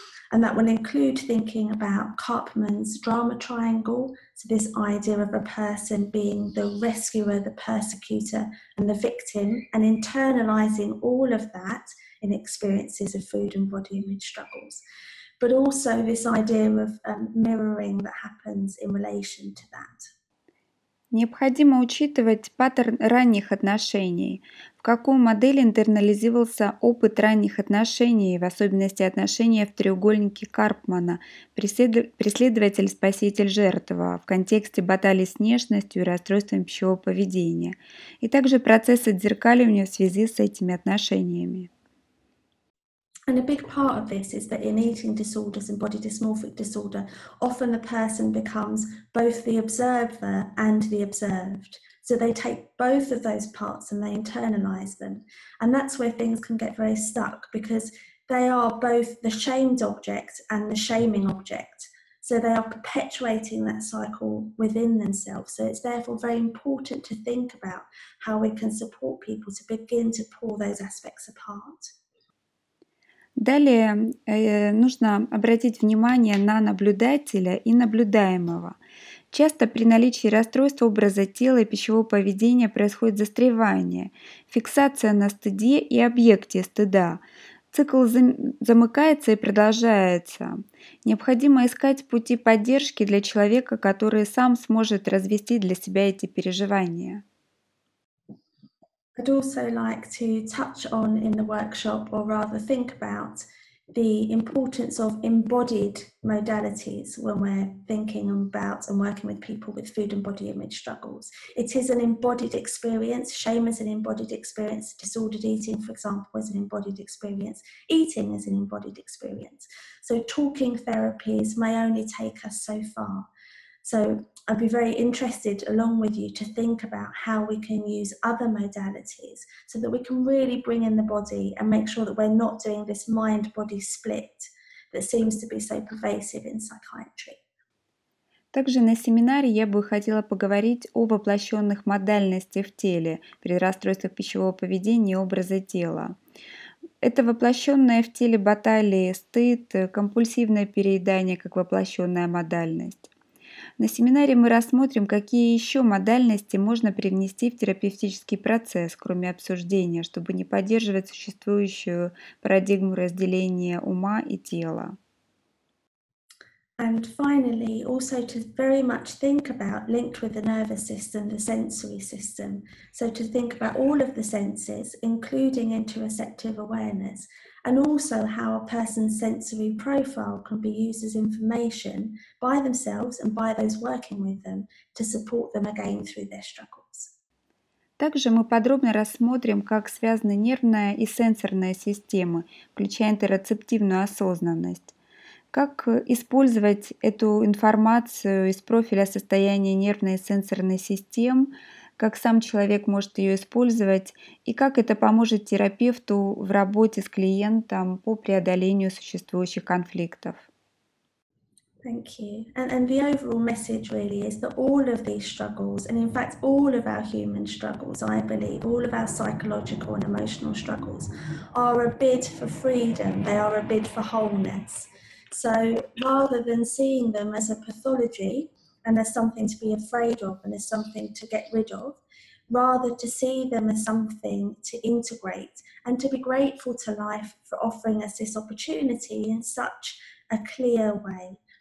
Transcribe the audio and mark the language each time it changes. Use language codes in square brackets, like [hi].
[en] And that will include thinking about Karpman's drama triangle, so this idea of a person being the rescuer, the persecutor, and the victim, and internalizing all of that in experiences of food and body image struggles. But also this idea of mirroring that happens in relation to that. [ru] Необходимо учитывать паттерн ранних отношений, в какой модели интернализировался опыт ранних отношений, в особенности отношения в треугольнике Карпмана «Преследователь-спаситель-жертва» в контексте баталии с нежностью и расстройством пищевого поведения, и также процесс отзеркаливания в связи с этими отношениями. [en] And a big part of this is that in eating disorders and body dysmorphic disorder, often the person becomes both the observer and the observed. So they take both of those parts and they internalize them. And that's where things can get very stuck because they are both the shamed object and the shaming object. So they are perpetuating that cycle within themselves. So it's therefore very important to think about how we can support people to begin to pull those aspects apart. [ru] Далее нужно обратить внимание на наблюдателя и наблюдаемого. Часто при наличии расстройства образа тела и пищевого поведения происходит застревание, фиксация на стыде и объекте стыда. Цикл замыкается и продолжается. Необходимо искать пути поддержки для человека, который сам сможет развести для себя эти переживания. [en] I'd also like to touch on in the workshop, or rather think about, the importance of embodied modalities when we're thinking about and working with people with food and body image struggles. It is an embodied experience. Shame is an embodied experience. Disordered eating, for example, is an embodied experience. Eating is an embodied experience. So talking therapies may only take us so far. So I'd be very interested, along with you, to think about how we can use other modalities so that we can really bring in the body and make sure that we're not doing this mind-body split that seems to be so pervasive in psychiatry. [ru] Также на семинаре я бы хотела поговорить о воплощенных модальностях в теле при расстройствах пищевого поведения и образа тела. Это воплощенное в теле баталии стыд, компульсивное переедание как воплощенная модальность. На семинаре мы рассмотрим, какие еще модальности можно привнести в терапевтический процесс, кроме обсуждения, чтобы не поддерживать существующую парадигму разделения ума и тела. [en] And finally, also to very much think about, linked with the nervous system, the sensory system. So to think about all of the senses, including interoceptive awareness, and also how a person's sensory profile can be used as information by themselves and by those working with them to support them again through their struggles. [ru] Также мы подробно рассмотрим, как связаны нервная и сенсорная системы, включая интероцептивную осознанность. Как использовать эту информацию из профиля состояния нервной и сенсорной систем, как сам человек может ее использовать, и как это поможет терапевту в работе с клиентом по преодолению существующих конфликтов. [en] Thank you. And the overall message really is that all of these struggles, and in fact all of our human struggles, I believe, all of our psychological and emotional struggles, are a bid for freedom. They are a bid for wholeness. So rather than seeing them as a pathology and as something to be afraid of and as something to get rid of, rather to see them as something to integrate and to be grateful to life for offering us this opportunity in such a clear way.